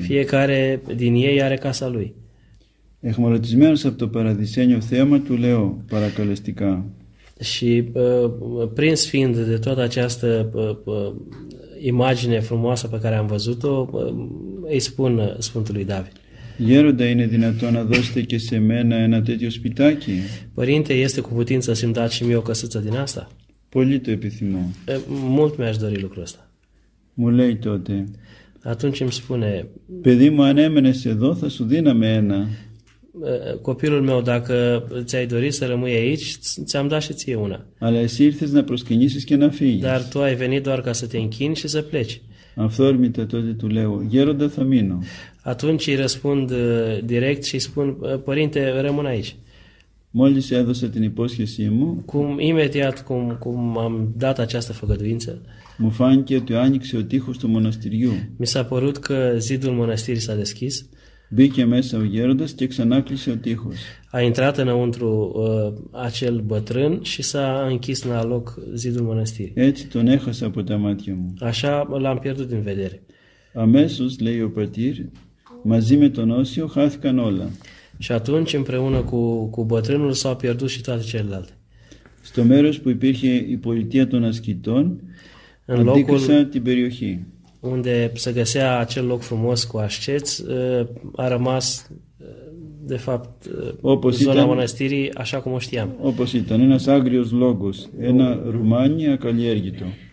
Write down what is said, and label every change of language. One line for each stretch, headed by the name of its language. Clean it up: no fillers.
Romanian: Fiecare din ei are casa lui.
Greek: Εχμαλωτισμένος από το παραδεισένιο θέαμα του λέω παρακαλεστικά.
Romanian: Și prins fiind de toată această imagine frumoasă pe care am văzut-o, îi spun Sfântului David.
Greek: Γέροντα, είναι δυνατόν να δώσετε και σε μένα ένα τέτοιο σπιτάκι.
Romanian: Părinte, este cu putință să-mi dați și mie o căsuță din asta?
Greek: Πολύ το επιθυμώ.
Romanian: Mult mi-aș dori lucrul ăsta.
Greek: Μου λέει τότε.
Romanian: Atunci îmi spune.
Greek: Παιδί μου, αν έμενες εδώ, θα σου δίναμε ένα.
Romanian: Copilul meu, dacă ți-ai dorit să rămâi aici, ți-am dat și ție una.
Greek: Αλλά εσύ ήρθες να προσκυνήσεις και να φύγεις.
Romanian: Dar tu ai venit doar ca să te închini și să pleci.
Greek: Αυθόρμητα τότε του λέω. Γέροντα, θα μείνω.
Romanian: Atunci îi răspund direct și spun, părinte, rămân aici.
Greek: Μόλις έδωσα την υπόσχεσή μου,
Romanian: imediat cum am dat această făgăduință,
Greek: μου φάνηκε ότι άνοιξε ο τείχος του μοναστηριού.
Romanian: Mi s-a părut că zidul mănăstirii s-a deschis.
Greek: Μπήκε μέσα ο γέροντας και ξανάκλεισε ο τείχος.
Romanian: A intrat înăuntru acel bătrân și s-a închis la loc zidul mănăstirii.
Greek: Έτσι τον έχασα από τα μάτια μου.
Romanian: Așa l-am pierdut din vedere.
Greek: Αμέσως, λέει ο πατήρ, μαζί με τον Όσιο χάθηκαν όλα.
Romanian: Și atunci, împreună cu bătrânul, s-au pierdut și toate celelalte.
Greek: Στο μέρος που υπήρχε η πολιτεία των ασκητών,
Romanian: în locul
Greek: την περιοχή.
Romanian: Unde se găsea acel loc frumos cu asceți, a rămas, de fapt,
Greek: όπως
Romanian: zona
Greek: ήταν,
Romanian: mănăstirii, așa cum o știam.
Greek: Όπως ήταν, ένας άγριος λόγος, ένα ρουμάνι ακαλλιέργητο.